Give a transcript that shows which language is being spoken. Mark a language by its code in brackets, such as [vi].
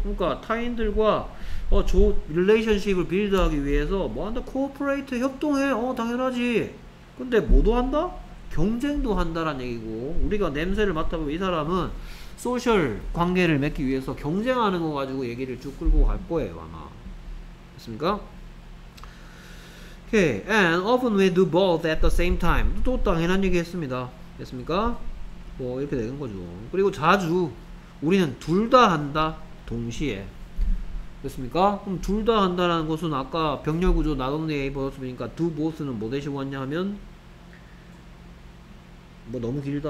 [ko] 그러니까 타인들과 릴레이션십을 빌드하기 위해서 뭐 한다? 코오퍼레이트 협동해? 당연하지. 근데 뭐도 한다? 경쟁도 한다라는 얘기고 우리가 냄새를 맡아보면 이 사람은 소셜 관계를 맺기 위해서 경쟁하는 거 가지고 얘기를 쭉 끌고 갈 거예요 아마. 됐습니까? Okay. [en] And often we do both at the same time. [ko] 또 당연한 얘기 했습니다. 됐습니까? 뭐 이렇게 되는 거죠. 그리고 자주 우리는 둘 다 한다. 동시에. 됐습니까? 그럼 둘 다 한다라는 것은 아까 병렬구조 [en] not only A but also B [ko] 니까 do both는 뭐 대신 왔냐 하면 뭐 너무 길다.